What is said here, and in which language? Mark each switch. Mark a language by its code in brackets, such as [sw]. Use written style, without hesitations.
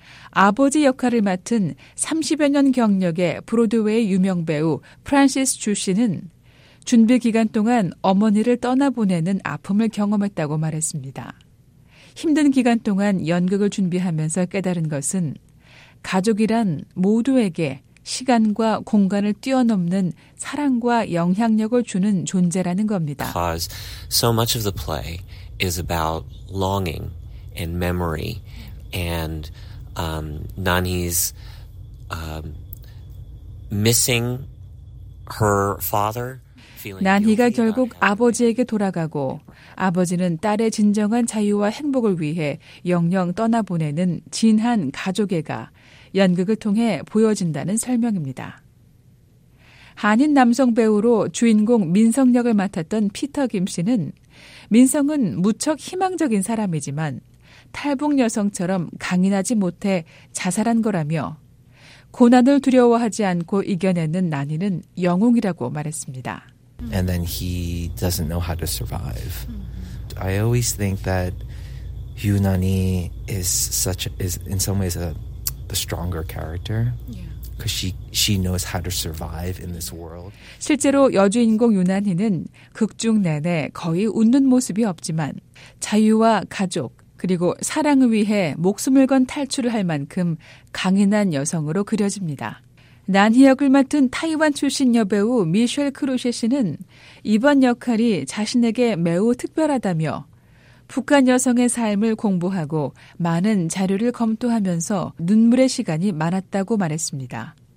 [ko] 아버지 역할을 맡은 30여 년 경력의 브로드웨이 유명 배우 프란시스 주 씨는 준비 기간 동안 어머니를 떠나보내는 아픔을 경험했다고 말했습니다. 힘든 기간 동안 연극을 준비하면서 깨달은 것은 가족이란 모두에게 시간과 공간을 뛰어넘는 사랑과 영향력을 주는 존재라는 겁니다. [en] Because so much of the play is about longing and memory and Nani's missing her father. [ko] 난희가 결국 아버지에게 돌아가고 아버지는 딸의 진정한 자유와 행복을 위해 영영 떠나보내는 진한 가족애가 연극을 통해 보여진다는 설명입니다. 한인 남성 배우로 주인공 민성 역을 맡았던 피터 김 씨는 민성은 무척 희망적인 사람이지만 탈북 여성처럼 강인하지 못해 자살한 거라며 고난을 두려워하지 않고 이겨내는 난이는 영웅이라고 말했습니다. [en] And then he doesn't know how to survive. I always think that Yu Nani is in some ways the stronger character. Because she knows how to survive in this world. [ko] 실제로 여주인공 유난희는 극중 내내 거의 웃는 모습이 없지만 자유와 가족 그리고 사랑을 위해 목숨을 건 탈출을 할 만큼 강인한 여성으로 그려집니다. 난희 역을 맡은 타이완 출신 여배우 미셸 크루셰 씨는 이번 역할이 자신에게 매우 특별하다며 북한 여성의 삶을 공부하고 많은 자료를 검토하면서 눈물의 시간이 많았다고 말했습니다.